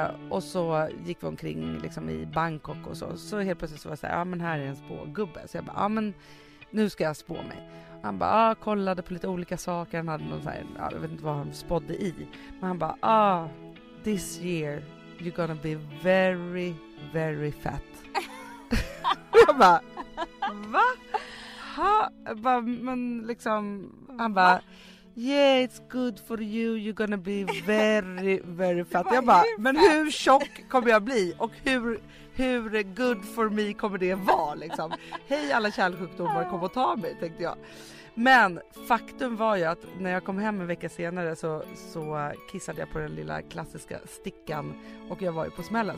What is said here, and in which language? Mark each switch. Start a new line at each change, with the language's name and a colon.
Swedish: Och så gick vi omkring liksom i Bangkok och så helt plötsligt så var jag så här, men här är en spågubbe, så jag bara, men nu ska jag spå mig. Han bara, kollade på lite olika saker, han hade någon så här, jag vet inte vad han spådde i, men han bara,
English: this year you're gonna be very very fat.
Swedish: Jag bara, va? Men liksom, han bara,
English: yeah, it's good for you. You're gonna be very, very fat.
Swedish: Jag bara, men hur tjock kommer jag bli? Och hur
English: good for me
Swedish: kommer det vara? Liksom? Hej alla kärlsjukdomar, kom och ta mig, tänkte jag. Men faktum var ju att när jag kom hem en vecka senare så kissade jag på den lilla klassiska stickan. Och jag var ju på smällen.